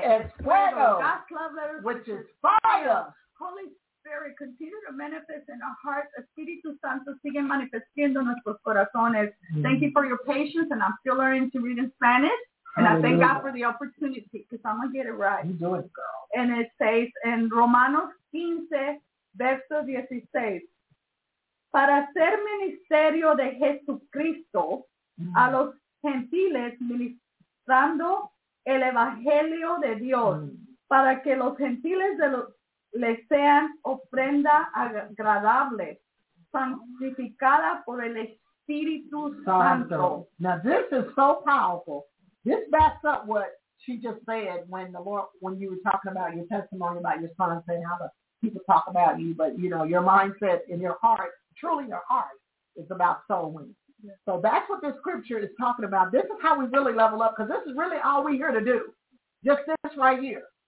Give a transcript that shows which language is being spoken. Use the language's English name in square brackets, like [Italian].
[Spanish] es fuego, [English] God's lover, which is fire. Holy Spirit, continue to manifest in our hearts. [Spanish] Espíritu Santo, sigue manifestando nuestros corazones. Mm-hmm. [English] Thank you for your patience, and I'm still learning to read in Spanish. And hallelujah. I thank God for the opportunity, because I'm going to get it right. You do it, girl. And it says in [Spanish] Romanos 15, verso 16, para hacer ministerio de Jesucristo a los gentiles, ministrando el evangelio de Dios, para que los gentiles les sean ofrenda agradable, santificada por el Espíritu Santo. Santo. [English] Now, this is so powerful. This backs up what she just said when the Lord, when you were talking about your testimony about your son saying how the people talk about you, but you know, your mindset in your heart, truly your heart is about soul winning. Yes. So that's what this scripture is talking about. This is how we really level up, because this is really all we're here to do. Just this right here.